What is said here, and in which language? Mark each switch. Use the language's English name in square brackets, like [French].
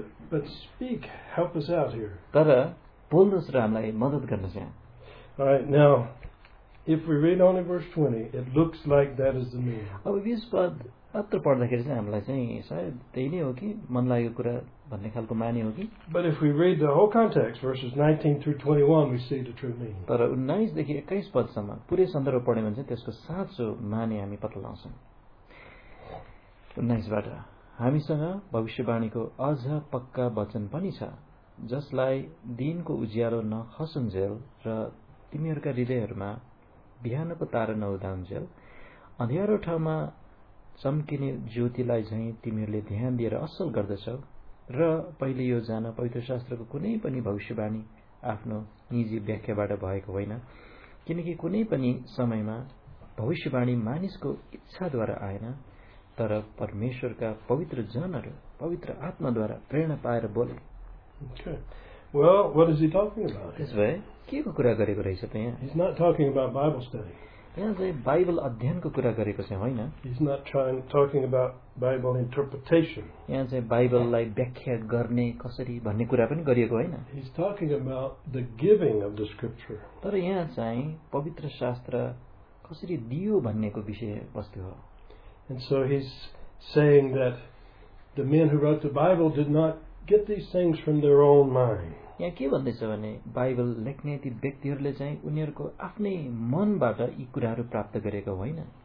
[English] But speak, help us out here. [Nepali] तर बोल्नुहोस् र हामीलाई मदद गर्नुहोस् यहाँ. [English] Alright, now, if we read only verse 20, it looks like that is the meaning. [Nepali] अब 20 पद मात्र पढ्दाखेरि चाहिँ हामीलाई चाहिँ सायद त्यही नै हो कि मन लागेको कुरा भन्ने खालको माने हो कि. [English] But if we read the whole context, verses 19 through 21, we see the true meaning. [Nepali] तर 19 देखि 21 पदसम्म पुरै सन्दर्भ पढ्यो भने चाहिँ त्यसको साँचो माने हामी पत्ता लगाउँछौँ. 19 हामीसँग भविष्यवाणीको अझ पक्का वचन पनि छ, जसलाई दिनको उज्यालो नखसुन्जेल र तिमीहरूका हृदयहरूमा बिहानको तारा नउदाउन्जेल, अँध्यारो ठाउँमा चम्किने ज्योतिलाई झैँ तिमीहरूले ध्यान दिएर असल गर्दछौ, र पहिले यो जान पवित्र शास्त्रको कुनै पनि भविष्यवाणी आफ्नो निजी व्याख्याबाट भएको होइन, किनकि कुनै पनि समयमा भविष्यवाणी मानिसको इच्छाद्वारा आएन, तर परमेश्वरका पवित्र जनहरू पवित्र आत्माद्वारा प्रेरणा पाएर बोले. [English] Well, what is he talking about? This way, [Nepali] केको कुरा गरेको रहेछ त यहाँ? [English] He's not talking about Bible study. [Nepali] यहाँ चाहिँ बाइबल अध्ययनको कुरा गरेको छ होइन. [English] He's not talking about Bible interpretation. [Nepali] यहाँ चाहिँ बाइबललाई व्याख्या गर्ने कसरी भन्ने कुरा पनि गरिएको होइन. [English] He's talking about the giving of the scripture. [Nepali] तर यहाँ चाहिँ पवित्र शास्त्र कसरी दियो भन्नेको विषय वस्तु हो. [English] And so he's saying that the men who wrote the Bible did not get these things from their own mind. [Nepali] यहाँ के भन्दैछ भने बाइबल लेख्ने ती व्यक्तिहरूले चाहिँ उनीहरूको आफ्नै मनबाट यी कुराहरू प्राप्त गरेको होइन.